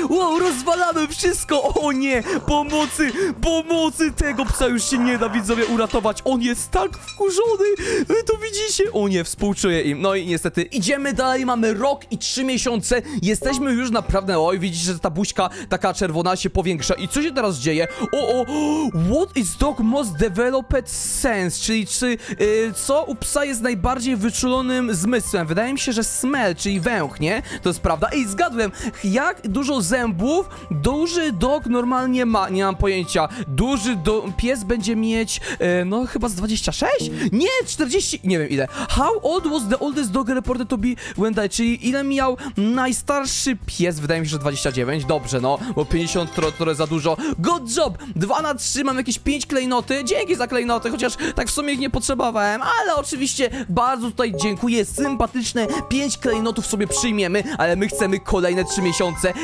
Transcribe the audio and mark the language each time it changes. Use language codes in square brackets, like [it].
[pl] Wow, rozwalamy wszystko. O nie, pomocy, pomocy. Tego psa już się nie da, widzowie, uratować. On jest tak wkurzony. Wy to widzicie? O nie, współczuję im. No i niestety, idziemy dalej. Mamy rok i 3 miesiące. Jesteśmy już naprawdę, oj, widzicie, że ta buźka taka czerwona się powiększa. I co się teraz dzieje? [en] O, o, what is dog most developed sense? [pl] Czyli czy, co u psa jest najbardziej wyczulonym zmysłem? Wydaje mi się, że smell, czyli węch, nie? To jest prawda. Ej, zgadłem, jak dużo zębów duży dog normalnie ma? Nie mam pojęcia. Duży pies będzie mieć, no chyba z 26? Nie, 40, nie wiem ile. [en] How old was the oldest dog reported to be when died? [pl] Czyli ile miał najstarszy pies? Wydaje mi się, że 29. Dobrze, no, bo 50 trochę za dużo. [en] Good job! [pl] 2 na 3, mam jakieś 5 klejnoty. Dzięki za klejnoty, chociaż tak w sumie ich nie potrzebowałem. Ale oczywiście bardzo tutaj dziękuję. Sympatyczne 5 klejnotów sobie przyjmiemy. Ale my chcemy kolejne 3 miesiące.